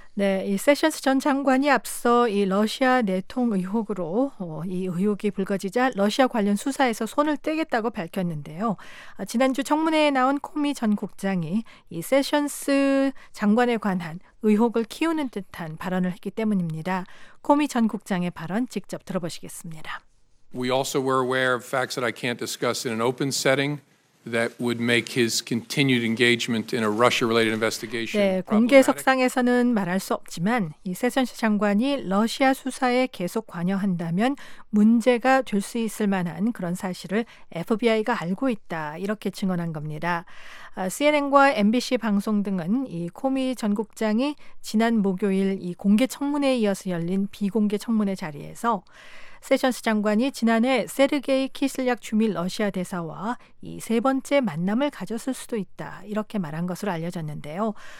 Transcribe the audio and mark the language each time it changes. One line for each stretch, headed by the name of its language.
Korean: 네, 이 세션스 전 장관이 앞서 이 러시아 내통 의혹으로 이 의혹이 불거지자 러시아 관련 수사에서 손을 떼겠다고 밝혔는데요. 지난주 청문회에 나온 코미 전 국장이 이 세션스 장관에 관한 의혹을 키우는 듯한 발언을 했기 때문입니다. 코미 전 국장의 발언 직접 들어보시겠습니다.
English: We also were aware of facts that I can't discuss in an open setting. That would make his continued engagement in a Russia-related investigation.
Korean: 네, 공개 석상에서는 말할 수 없지만 이 세션스 장관이 러시아 수사에 계속 관여한다면 문제가 될 수 있을 만한 그런 사실을 FBI가 알고 있다 이렇게 증언한 겁니다. CNN과 MBC 방송 등은 이 코미 전 국장이 지난 목요일 이 공개 청문회에 이어서 열린 비공개 청문회 자리에서 세션스 장관이 지난해 세르게이 키슬약 주미 러시아 대사와 이 세 번째 만남을 가졌을 수도 있다 이렇게 말한 것으로 알려졌는데요.